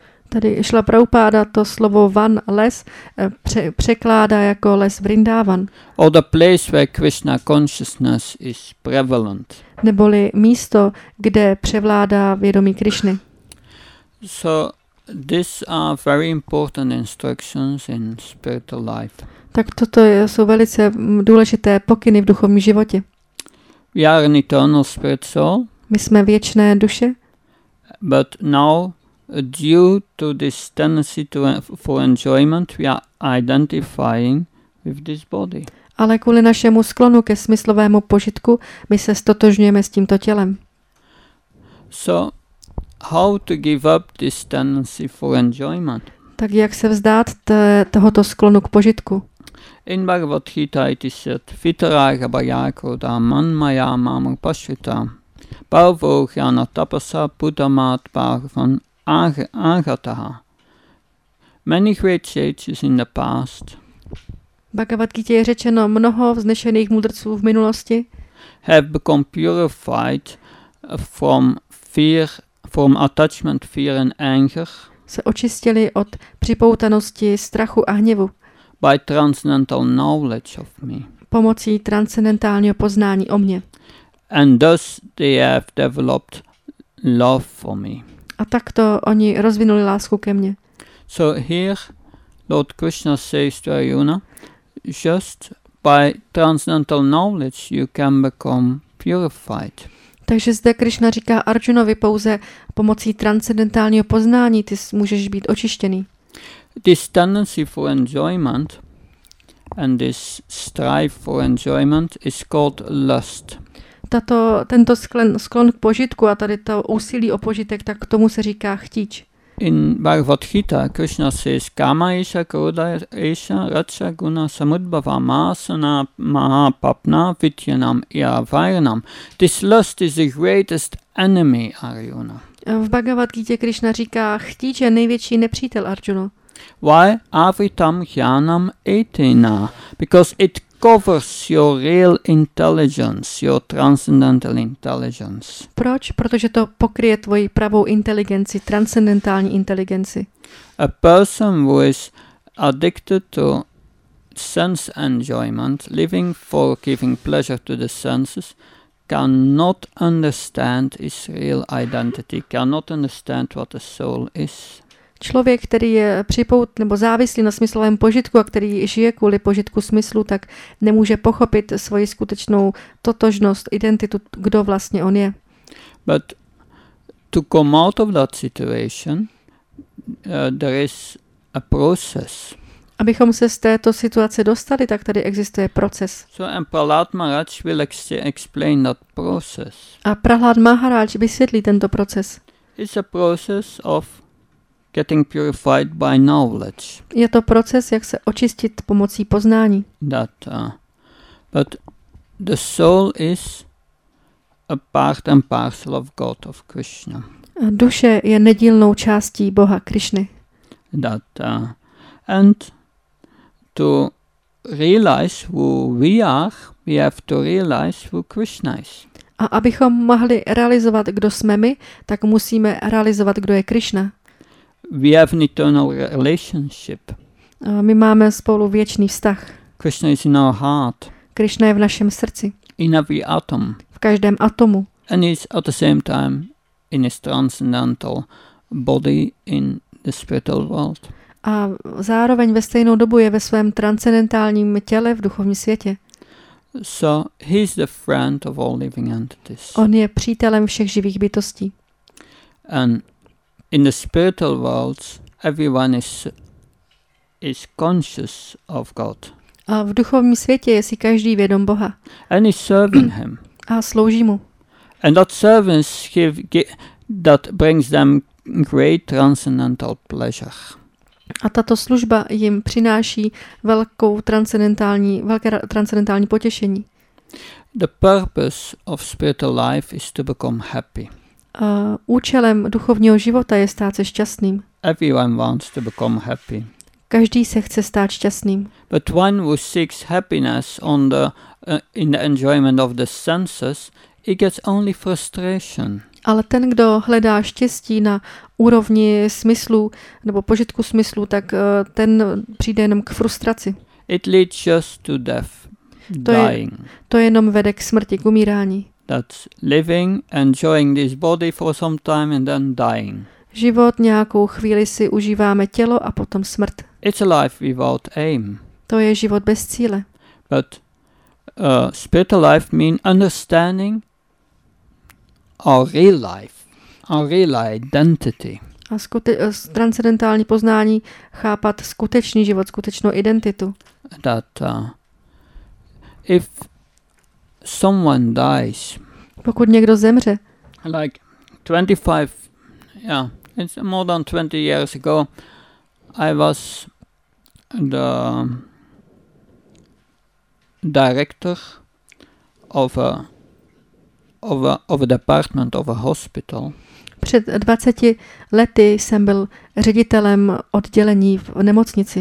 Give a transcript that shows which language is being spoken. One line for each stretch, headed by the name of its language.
Czech: Tady Srila Prabhupada to slovo van, les, překládá jako les Vrindavan.
English: Or the place where Krishna consciousness is prevalent.
Czech: Neboli místo, kde převládá vědomí Krishny.
English: So these are very important instructions in spiritual life.
Czech: Tak toto jsou velice důležité pokyny v duchovním životě.
English: We are an eternal spirit soul.
Czech: My jsme věčné duše.
English: But now, due to this tendency for enjoyment, we are identifying with this body.
Czech: Ale kvůli našemu sklonu ke smyslovému požitku, my se stotožňujeme s tímto tělem.
English: So, how to give up this tendency for enjoyment?
Czech: Tak jak se vzdát tohoto sklonu k požitku?
English: In Bhagavad Gita it is said,
Sanskrit: Vitaraga bhayakruta manmaya mamur pashvita. Bhavo jana tapasa buddhamat bhavan agataha.
English: Many great sages in the past.
Czech: Bhagavad Gita je řečeno mnoho vznešených mudrců v minulosti.
English: Have become purified from fear, from attachment, fear and anger.
Czech: Se očistili od připoutanosti, strachu a hněvu.
English: By transcendental knowledge of me.
Czech: Pomocí transcendentálního poznání o mně.
English: And thus they have developed love for me.
Czech: A takto oni rozvinuli lásku ke mně.
English: So here Lord Krishna says to Arjuna, just by transcendental knowledge you can become purified.
Czech: Takže zde Krishna říká Arjunovi pouze pomocí transcendentálního poznání ty můžeš být očištěný.
English: This tendency for enjoyment and this strive for enjoyment is called lust.
Czech: Tento sklon k požitku a tady to úsilí o požitek, tak k tomu se říká chtíč.
English: In Bhagavad Gita, Krishna says,
Sanskrit: Kama isha, kruda isha, racha guna, samudbhava, masana, maha, papna, vityanam, ya, vairanam.
English: This lust is the greatest enemy, Arjuna.
Czech: V Bhagavad Gita Krishna říká, chtíč je největší nepřítel, Arjuna.
English: Why
Sanskrit: avitam jnanam etena?
English: Because it covers your real intelligence, your transcendental intelligence.
Czech: Proč? Protože to pokryje tvoji pravou inteligenci, transcendentální inteligenci.
English: A person who is addicted to sense enjoyment, living for giving pleasure to the senses, cannot understand his real identity, cannot understand what the soul is.
Czech: Člověk, který je připout nebo závislý na smyslovém požitku a který žije kvůli požitku smyslu, tak nemůže pochopit svoji skutečnou totožnost, identitu, kdo vlastně on je.
English: But to come out of that situation, there is a process.
Czech: Abychom se z této situace dostali, tak tady existuje proces.
English: So and Prahlád Maharaj will explain that process.
Czech: A Prahlád Maharaj vysvětlí tento proces.
English: It's a process of getting purified by knowledge.
Czech: Je to proces, jak se očistit pomocí poznání.
English: That, but the soul is a part and parcel of God, of Krishna.
Czech: A duše je nedílnou částí Boha Krišny.
English: That, and to realize who we are, we have to realize who Krishna is.
Czech: A abychom mohli realizovat, kdo jsme my, tak musíme realizovat, kdo je Krišna.
English: We have an eternal relationship.
Czech: My máme spolu věčný vztah.
English: Krishna is in our heart.
Czech: Krishna je v našem srdci.
English: In every atom.
Czech: V každém atomu.
English: And is at the same time in his transcendental body in the spiritual world.
Czech: A zároveň ve stejnou dobu je ve svém transcendentálním těle v duchovním světě.
English: So he is the friend of all living entities.
Czech: On je přítelem všech živých bytostí.
English: And in the spiritual world, everyone is conscious of God.
Czech: A v duchovním světě je si každý vědom Boha.
English: And is serving him.
Czech: A slouží mu.
English: And that service that brings them great transcendental pleasure.
Czech: A tato služba jim přináší velké transcendentální potěšení.
English: The purpose of spiritual life is to become happy.
Czech: Účelem duchovního života je stát se šťastným.
English: Everyone wants to become happy.
Czech: Každý se chce stát šťastným.
English: But one who seeks happiness on the in the enjoyment of the senses, he gets only frustration.
Czech: Ale ten, kdo hledá štěstí na úrovni smyslu nebo požitku smyslu, tak ten přijde jenom k frustraci.
English: It leads just to death, dying.
Czech: To jenom vede k smrti, k umírání.
English: That's living, enjoying this body for some time and then dying.
Czech: Život nějakou chvíli si užíváme tělo a potom smrt.
English: It's a life without aim.
Czech: To je život bez cíle.
English: But spiritual life means understanding our real identity.
Czech: A transcendentální poznání chápat skutečný život, skutečnou identitu.
English: That if someone dies,
Czech: pokud někdo zemře,
English: like 25, yeah, it's more than 20 years ago, I was the director of a department of a hospital.
Czech: Před 20 lety jsem byl ředitelem oddělení v nemocnici.